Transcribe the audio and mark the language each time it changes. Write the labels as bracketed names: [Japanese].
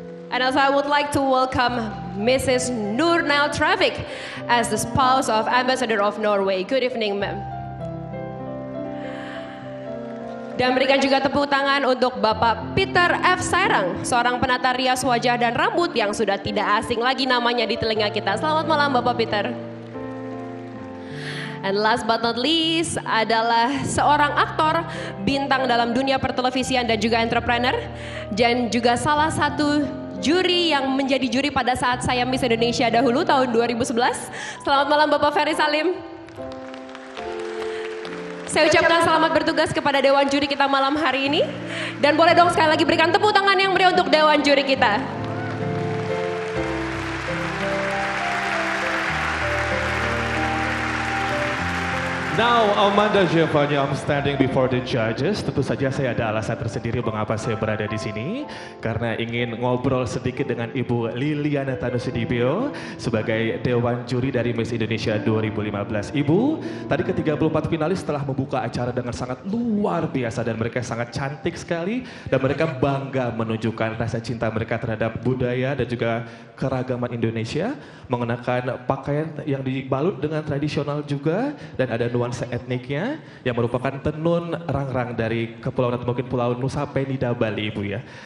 [English] And also I would like to welcome Mrs. Nur Nail Traffic as the spouse of Ambassador of Norway. Good evening, ma'am. [Indonesian] Dan berikan juga tepuk tangan untuk Bapak Peter F. Sairang, seorang penata rias wajah dan rambut yang sudah tidak asing lagi namanya di telinga kita. Selamat malam Bapak Peter. [English] And last but not least [Indonesian] adalah seorang aktor bintang dalam dunia pertelevisian dan juga entrepreneur. Dan juga salah satu juri yang menjadi juri pada saat saya Miss Indonesia dahulu tahun 2011. Selamat malam Bapak Ferry Salim. Saya ucapkan selamat bertugas kepada dewan juri kita malam hari ini. Dan boleh dong sekali lagi berikan tepuk tangan yang meriah untuk dewan juri kita. [English] Now Amanda Giovanni, I'm standing before the judges. [Indonesian] Tentu saja saya ada alasan tersendiri mengapa saya berada di sini, karena ingin ngobrol sedikit dengan Ibu Liliana Tanusudibyo sebagai dewan juri dari Miss Indonesia 2015. Ibu, tadi ke-34 finalis telah membuka acara dengan sangat luar biasa dan mereka sangat cantik sekali dan mereka bangga menunjukkan rasa cinta mereka terhadap budaya dan juga keragaman Indonesia, mengenakan pakaian yang dibalut dengan tradisional juga dan ada nuansa etniknya yang merupakan tenun rang-rang dari kepulauan atau mungkin pulau Nusa Penida Bali, Ibu ya.